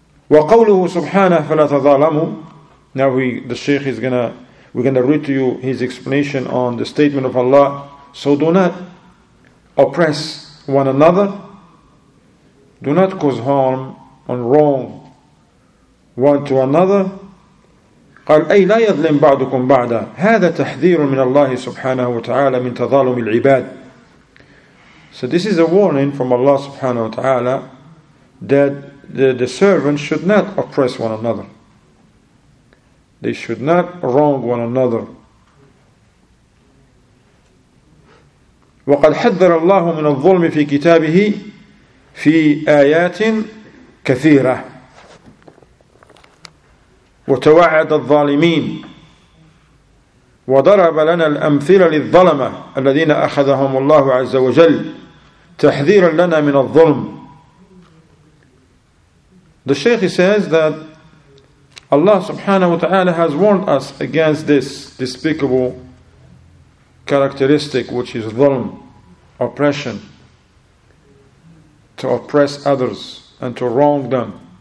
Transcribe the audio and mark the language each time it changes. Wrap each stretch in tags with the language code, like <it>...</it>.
<ar>وَقَوْلُهُ سُبْحَانَهُ فَلَا تَظَالَمُ.</ar> <en>Now we're gonna read to you his explanation on the statement of Allah. So do not oppress one another. Do not cause harm and wrong one to another.</en> <ar>قال أي لا يظلم بعضكم بعضا. هذا تحذير من الله سبحانه وتعالى من تظالم العباد.</ar> <en>So this is a warning from Allah subhanahu wa ta'ala that the servants should not oppress one another. They should not wrong one another.</en> <ar>وقد حذر الله من الظلم في كتابه في آيات كثيرة. وتوعد الظالمين وضرب لنا الأمثلة للظلمة الذين أخذهم الله عز وجل تحذيرا لنا من الظلم.</ar> <en>The Shaykh says that Allah subhanahu wa ta'ala has warned us against this despicable characteristic, which is dhulm, oppression, to oppress others and to wrong them.</en>